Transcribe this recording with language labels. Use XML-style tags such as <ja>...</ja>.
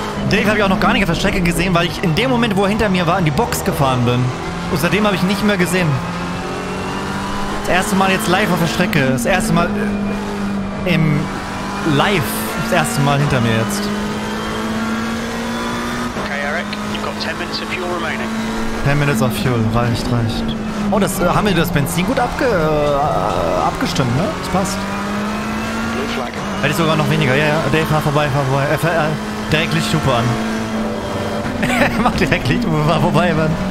<de>Dave habe ich auch noch gar nicht auf der Strecke gesehen, weil ich in dem Moment, wo er hinter mir war, in die Box gefahren bin. Und seitdem habe ich ihn nicht mehr gesehen. Das erste Mal jetzt live auf der Strecke. Das erste Mal im Live. Das erste Mal hinter mir jetzt.</de> <en>Okay, Eric, you've got 10 minutes of fuel remaining. 10 minutes of fuel,</en> <de>reicht. Oh, das haben wir das Benzin gut abgestimmt, ne? Das passt.</de> <en>Blue flag.</en> <de>Hätte ich sogar noch weniger. Ja, Dave, fahr vorbei. Direkt Lichthupe an. Mach direkt Lichthupe, war vorbei, Mann.</de>